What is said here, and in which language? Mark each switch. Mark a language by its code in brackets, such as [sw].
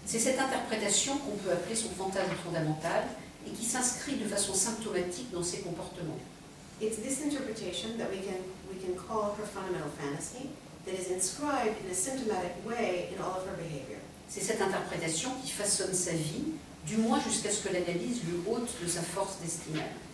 [fr] C'est cette interprétation qu'on peut appeler son fantasme fondamental et qui s'inscrit de façon symptomatique dans ses comportements. [en] It's this interpretation that we can call her fundamental fantasy that is inscribed in a symptomatic way in all of her behavior. [fr] C'est cette interprétation qui façonne sa vie. Du moins jusqu'à ce que l'analyse lui ôte de sa force d'estimable.